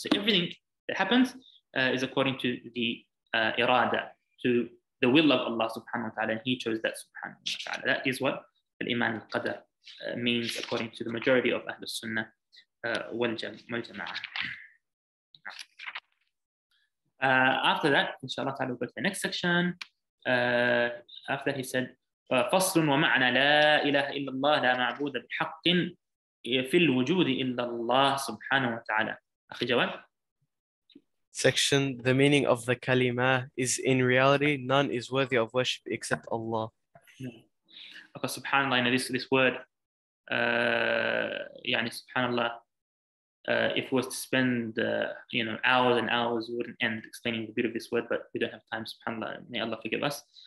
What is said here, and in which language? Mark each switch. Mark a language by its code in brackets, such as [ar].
[en] So everything that happens is according to the irada, to the will of Allah subhanahu wa ta'ala, and he chose that subhanahu wa ta'ala. That is what al-iman al-qadr means according to the majority of Ahlul Sunnah wal-jama'ah. After that, inshallah ta'ala, we'll go to the next section. After that, he said, [ar] فصل ومعنى لا إله إلا الله لا معبود بحق في الوجود إلا الله سبحانه وتعالى أخي جوال. [en] Section, the meaning of the kalima is in reality none is worthy of worship except Allah. Okay, subhanAllah, this word, subhanAllah, if we was to spend hours and hours, we wouldn't end explaining the beauty of this word, but we don't have time, subhanAllah, may Allah forgive us.